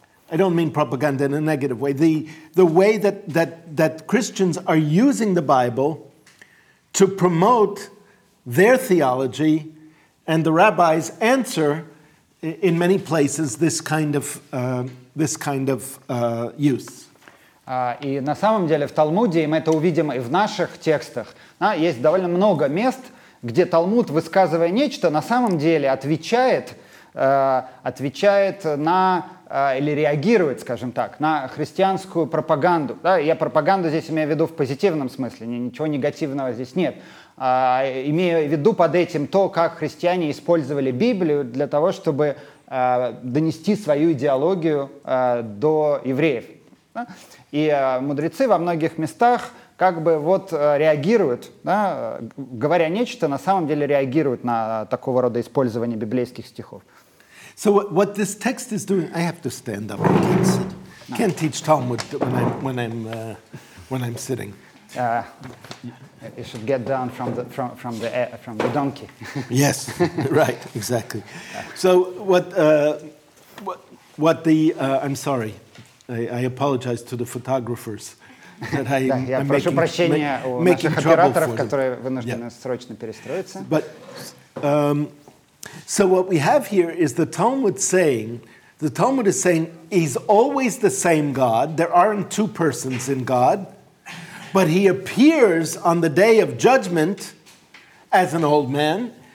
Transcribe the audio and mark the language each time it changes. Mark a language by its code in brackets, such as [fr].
[en] I don't mean propaganda in a negative way. The way that Christians are using the Bible to promote their theology, and the rabbis answer in many places this kind of use. [ru] И на самом деле в Талмуде, и мы это увидим и в наших текстах, да, есть довольно много мест, где Талмуд, высказывая нечто, на самом деле отвечает на или реагирует, скажем так, на христианскую пропаганду. Да, я пропаганду здесь имею в виду в позитивном смысле, ничего негативного здесь нет. Имею в виду под этим то, как христиане использовали Библию для того, чтобы донести свою идеологию до евреев. Да? И мудрецы во многих местах как бы вот реагируют, да, говоря нечто, на самом деле реагируют на такого рода использование библейских стихов. [en] So what this text is doing, I have to stand up. I can't teach Talmud when I'm sitting. You should get down from the donkey. Yes, right, exactly. So I apologize to the photographers that I'm making, making trouble for them. [ru] Которые вынуждены срочно перестроиться. [en] So what we have here is the Talmud is saying he's always the same God. There aren't two persons in God, but he appears on the day of judgment as an old man.